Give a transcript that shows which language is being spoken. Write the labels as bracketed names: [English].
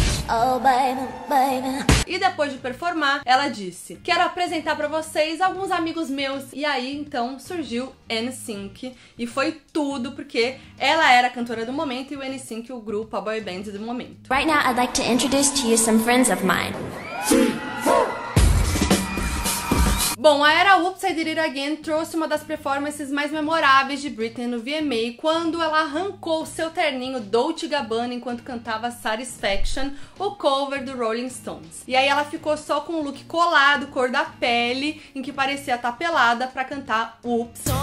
[English] Oh, baby, baby. [Portuguese] E depois de performar, ela disse: quero apresentar pra vocês alguns amigos meus. E aí, então, surgiu NSYNC. E foi tudo, porque ela era a cantora do momento e o NSYNC, o grupo, a boy band do momento. [English] Right now, I'd like to introduce to you some friends of mine. [Portuguese] Bom, a era Oops, I Did It Again trouxe uma das performances mais memoráveis de Britney no VMA, quando ela arrancou seu terninho Dolce & Gabbana enquanto cantava Satisfaction, o cover do Rolling Stones. E aí ela ficou só com um look colado, cor da pele, em que parecia estar pelada, pra cantar Oops.